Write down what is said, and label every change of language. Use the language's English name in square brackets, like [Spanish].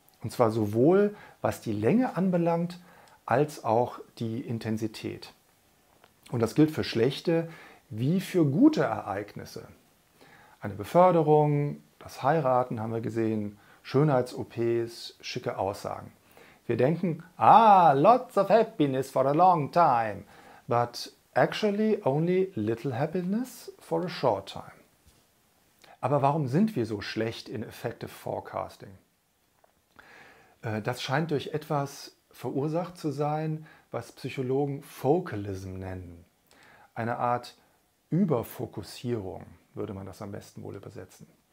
[German] Und zwar sowohl, was die Länge anbelangt, als auch die Intensität. Und das gilt für schlechte wie für gute Ereignisse. Eine Beförderung, das Heiraten haben wir gesehen, Schönheits-OPs, schicke Aussagen. Wir denken, [English] lots of happiness for a long time, but actually only little happiness for a short time. [German] Aber warum sind wir so schlecht in effective forecasting? Das scheint durch etwas verursacht zu sein, was Psychologen Focalism nennen. Eine Art Überfokussierung, würde man das am besten wohl übersetzen.